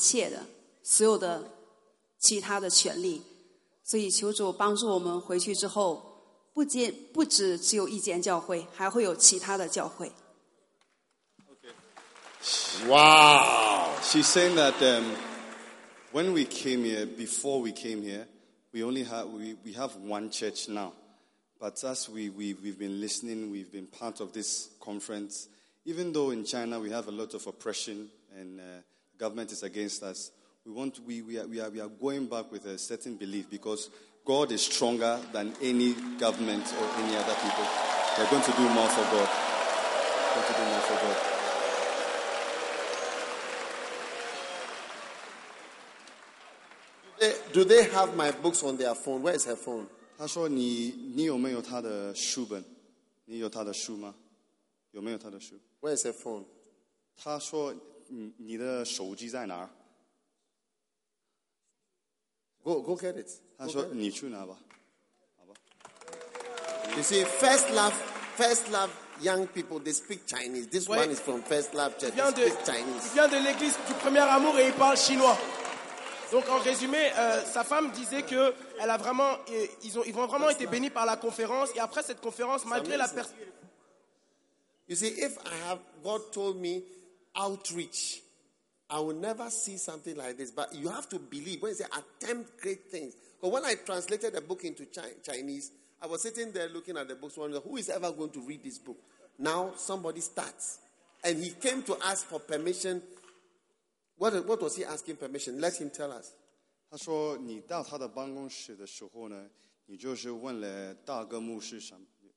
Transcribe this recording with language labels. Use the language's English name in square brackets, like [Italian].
[Chinese] 在我们来这里之前，我们现在只有一间教会，外面的困难也很大，但是当我们来到这里之后，我们想我们回去之后不应该只有一间教会，我们相信上帝会帮助我们，因为神的能力是大过一切的，所有的 其他的权利，所以求主帮助我们回去之后，不只只有一间教会，还会有其他的教会。 [English] Okay. Wow, she's saying that when we came here, before we came here, we have one church now. But as we've been listening, we've been part of this conference. Even though in China we have a lot of oppression and government is against us. We are going back with a certain belief because God is stronger than any government or any other people. We're going to do more for God. We're going to do more for God. Do they have my books on their phone? Where is her phone? [Chinese] 她说你有没有她的书本？你有她的书吗？有没有她的书？ [English] Where is her phone? [Chinese] 她说你的手机在哪？ [English] Go get it. You see, First Love, young people, they speak Chinese. This one is from First Love Church. He speaks Chinese. [French] Il vient de l'église du premier amour et il parle chinois. Donc, en résumé, sa femme disait que elle a vraiment, ils ont vraiment été bénis par la conférence. Et après cette conférence, malgré la personne. [English] You see, if I have God told me outreach, I will never see something like this, but you have to believe. When you say attempt great things, because when I translated the book into Chinese, I was sitting there looking at the books, wondering who is ever going to read this book. Now somebody starts, and he came to ask for permission. What was he asking permission? Let him tell us. [Chinese] 他说：“你到他的办公室的时候呢，你就是问了大哥牧师什么。”